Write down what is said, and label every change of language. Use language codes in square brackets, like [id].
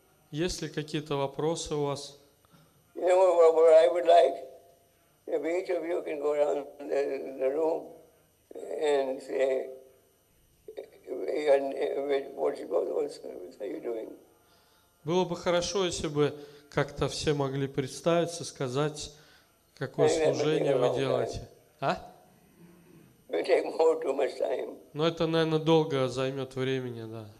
[ru] Есть ли какие-то вопросы у вас? [en] I would like if each of you can go around the room and say, what are you doing? [ru] Было бы хорошо, если бы как-то все могли представиться, сказать, какое служение вы делаете. А? [en] It takes more too much time. [ru] Но это, наверное, долго займет времени, да.